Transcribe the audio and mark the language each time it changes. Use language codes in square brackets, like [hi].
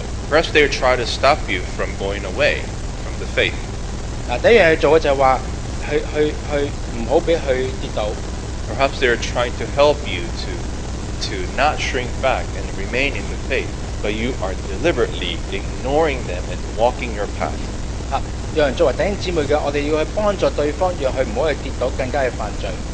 [en] First, they try to stop you from going away from the faith. [yue] 第一样嘢做嘅就系话，去唔好俾佢跌倒。 [en] Perhaps they are trying to help you to not shrink back and remain in the faith, but you are deliberately ignoring them and walking your path. [yue] 让人作为弟兄姊妹嘅，我哋要去帮助对方，让佢唔好去跌倒，更加去犯罪。